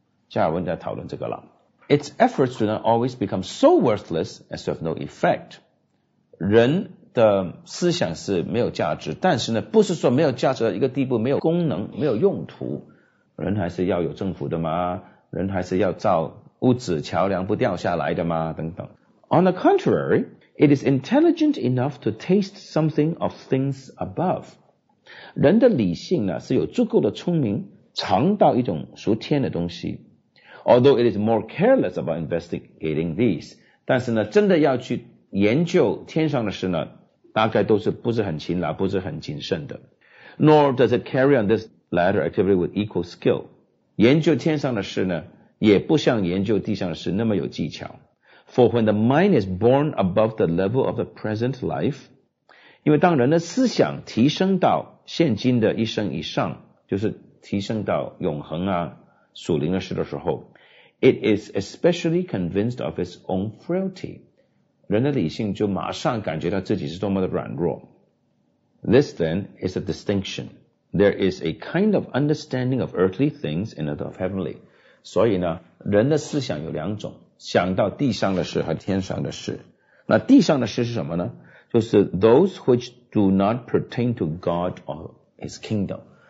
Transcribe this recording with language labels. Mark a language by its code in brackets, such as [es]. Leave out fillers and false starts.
[zh] 加尔文在讨论这个了。 [en] Its efforts do not always become so worthless as to have no effect， [zh] 人的思想是没有价值，但是呢不是说没有价值到一个地步没有功能没有用途，人还是要有政府的嘛，人还是要造屋子桥梁不掉下来的嘛，等等。 [en] On the contrary，It is intelligent enough to taste something of things above， [zh] 人的理性呢是有足够的聪明尝到一种属天的东西。 [en] Although it is more careless about investigating these， [zh] 但是呢真的要去研究天上的事呢，大概都是不是很勤劳不是很谨慎的。 [en] Nor does it carry on this latter activity with equal skill， [zh] 研究天上的事呢也不像研究地上的事那么有技巧。 [en] For when the mind is born above the level of the present life， [zh] 因为当人的思想提升到现今的一生以上，就是提升到永恒啊，属灵的事的时候 [en] It is especially convinced of its own frailty [zh] 人的理性就马上感觉到自己是多么的软弱 [en] This then is a distinction There is a kind of understanding of earthly things and of heavenly [zh] 所以呢人的思想有两种想到地上的事和天上的事那地上的事是什么呢就是 [en] those which do not pertain to God or his kingdom